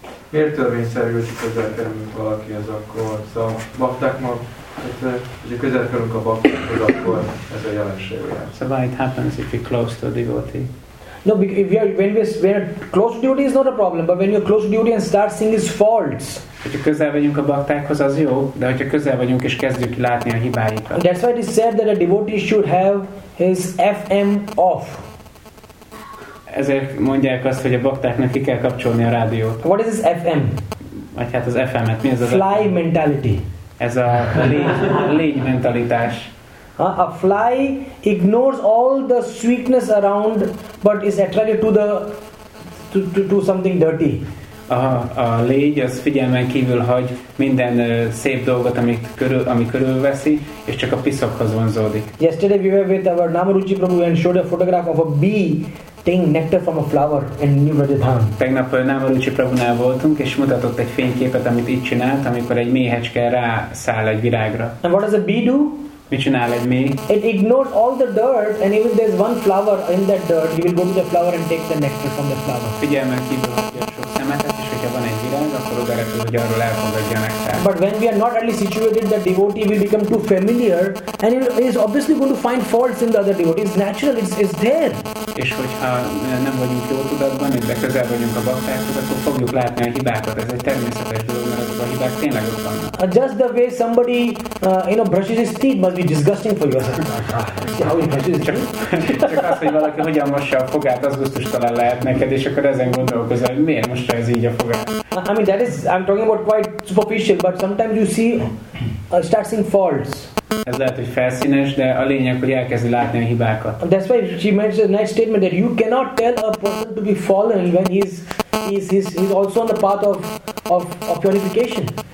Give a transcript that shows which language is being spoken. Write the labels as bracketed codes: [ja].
[hu] Miért törvényszerű, hogy közel kerülünk valakihez akkor? Szóval bakták mag, hogy közel kerülünk a baktákhoz, akkor ez a jelenség. [en] So why it happens if you're close to a devotee? No, if you are, when we are close to duty is not a problem, but when you are close to duty and start seeing his faults. [hu] Hogyha közel vagyunk a baktákhoz, az jó, de hogyha közel vagyunk és kezdjük látni a hibáikat. [en] That's why it is said that a devotee should have his FM off. [hu] Ezért mondják azt, hogy a baktáknak ki kell kapcsolni a rádiót. [en] What is this FM? [hu] Vagy hát az FM-et, mi ez az? [en] Fly mentality. [hu] Ez a légy mentalitás. [en] A fly ignores all the sweetness around, but is attracted to the to something dirty. [hu] A légy az figyelmen kívül hagy minden szép dolgot, ami körülveszi, és csak a piszokhoz vonzódik. [en] Yesterday we were with our Namaruchi Prabhu and showed a photograph of a bee taking nectar from a flower in New Rajadhan. [hu] Tegnap Namaruchi Prabhunál voltunk, és mutatott egy fényképet, amit itt csinált, amikor egy méhecske rászáll egy virágra. [en] And what does a bee do? [hu] Mit csinál egy méh? [en] It ignores all the dirt, and even there's one flower in that dirt, he will go to the flower and take the nectar from the flower. [hu] Figyelmen kívül hagyja sok szemetet, és hogyha van egy virág, akkor oda repül, hogy arról elfogadja a nektár. [en] But when we are not really situated, the devotee will become too familiar, and he is obviously going to find faults in the other devotee. It's natural, it's there. [hu] És hogyha nem vagyunk jó tudatban, és közel vagyunk a baktákhoz, akkor fogjuk látni a hibákat. Ez egy természetes dolog, mert azok a hibák tényleg ott vannak. [en] Just the way somebody brushes his teeth must be disgusting for you. See how he brushes his teeth? [hu] Csak az, hogy valaki hogyan mossa a fogát, az gusztustalan lehet neked, és akkor ezen gondolkozol, hogy miért mossa ez így a fogát. [en] I mean, that is, I'm talking about quite superficial, but sometimes you see, start seeing faults. [hu] Ez lehet, hogy felszínes, de a lényeg, hogy elkezdi látni a hibákat. [en] That's why she makes a nice statement that you cannot tell a person to be fallen when he's also on the path of purification.